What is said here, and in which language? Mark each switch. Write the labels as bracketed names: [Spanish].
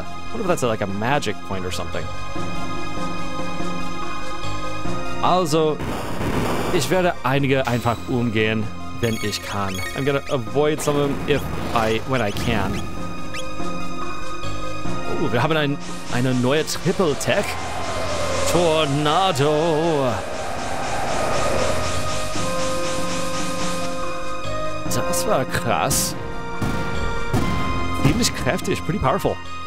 [English] I wonder if that's like a magic point or something. [German] Also, ich werde einige einfach umgehen, wenn ich kann. [English] I'm gonna avoid some of them when I can. [German] Oh, wir haben eine neue Triple Tech. Tornado. Das war krass. Ziemlich kräftig, [English] pretty powerful.